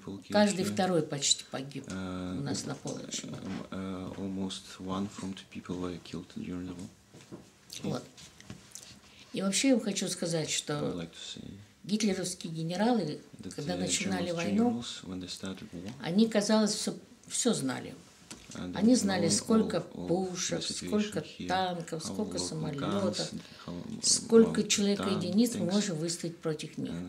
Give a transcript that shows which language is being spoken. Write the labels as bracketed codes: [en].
[ru] Каждый второй почти погиб у нас на Полочи. [en] Almost one from the people were killed during the war. [ru] Вот. И вообще я хочу сказать, что гитлеровские генералы, когда начинали войну, они, казалось, все знали. Они знали, сколько пушек, сколько танков, сколько самолетов, сколько человек единиц мы можем выставить против них.